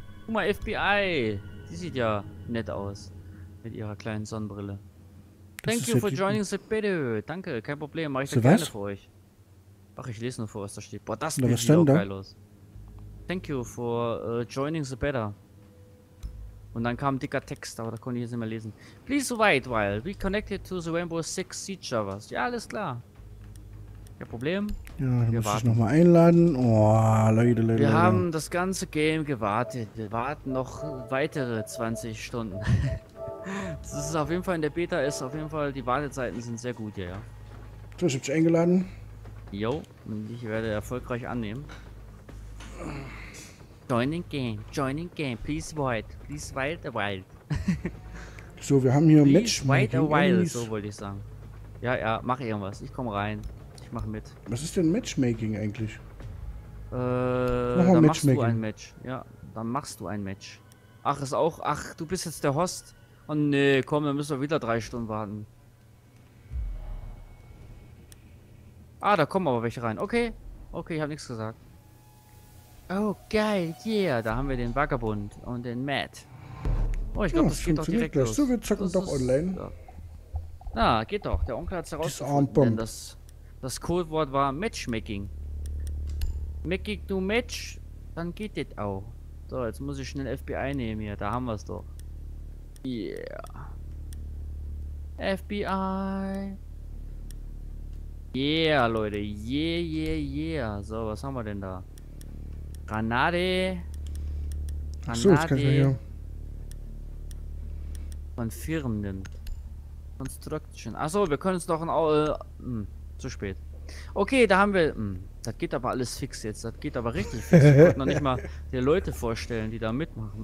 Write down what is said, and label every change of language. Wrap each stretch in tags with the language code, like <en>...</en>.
<de>Guck mal, FBI. Die sieht ja nett aus. Mit ihrer kleinen Sonnenbrille. Das</de> <en>Thank you for joining the beta.</en> <de>Danke, kein Problem. Mach ich so da was? Gerne für euch. Ach, ich lese nur vor, was da steht. Boah, das sieht auch geil aus.</de> <en>Thank you for joining the beta.</en> <de>Und dann kam ein dicker Text, aber da konnte ich jetzt nicht mehr lesen.</de> <en>Please wait while we connected to the Rainbow Six Siege Servers.</en> <de>Ja, alles klar. Kein Problem. Ja, dann wir muss warten. Ich nochmal einladen. Oh, Leute. Wir haben das ganze Game gewartet. Wir warten noch weitere 20 Stunden. Das ist auf jeden Fall in der Beta, ist auf jeden Fall, die Wartezeiten sind sehr gut hier, ja. So, ich hab dich eingeladen. Jo, und ich werde erfolgreich annehmen.</de> <en>Joining game, please wait, please wait a while.</en> <de>So, wir haben hier ein Match.</de> <en>Wait a while,</en> <de>so wollte ich sagen. Ja, ja, mach irgendwas, ich komm rein, ich mach mit. Was ist denn Matchmaking eigentlich? Dann machst du ein Match, ja, dann machst du ein Match. Ach, ist auch, ach, du bist jetzt der Host. Oh nee, komm, dann müssen wir wieder 3 Stunden warten. Ah, da kommen aber welche rein, okay, ich hab nichts gesagt. Oh, geil, yeah, da haben wir den Vagabund und den Matt. Oh, ich glaube, ja, das geht doch direkt gleich. Los. So, wir zocken das doch online. Na, ja. Ah, geht doch, der Onkel hat es herausgefunden, denn das Codewort war Matchmaking. Making du Match, dann geht das auch. So, jetzt muss ich schnell FBI nehmen hier, da haben wir es doch.</de> <en>Yeah. FBI. Yeah, Leute, yeah, yeah, yeah.</en> <de>So, was haben wir denn da? Granate. Achso, jetzt kann ich mal hier. Von Firmen. Construction. Achso, wir können es noch ein. Zu spät. Okay, da haben wir. Das geht aber alles fix jetzt. Das geht aber richtig fix. Ich wollte noch nicht mal die Leute vorstellen, die da mitmachen.</de>